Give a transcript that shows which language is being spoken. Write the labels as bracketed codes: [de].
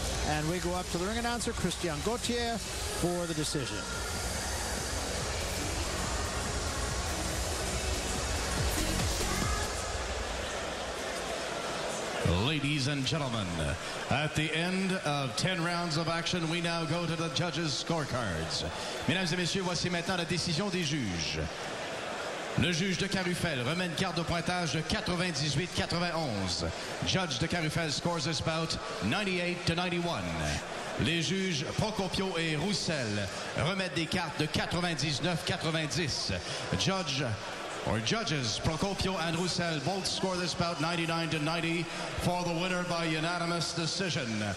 [en] And we go up to the ring announcer, Christian Gauthier, for the decision. Ladies and gentlemen, at the end of 10 rounds of action, we now go to the judges' scorecards. [fr] Mesdames et messieurs, voici maintenant la décision des juges. Le juge de Carufel remet une carte de pointage de 98-91. [en] Judge de Carufel scores this bout 98-91. [fr] Les juges Procopio et Roussel remettent des cartes de 99-90. [en] Judges Procopio and Roussel both score this bout 99-90 for the winner by unanimous decision.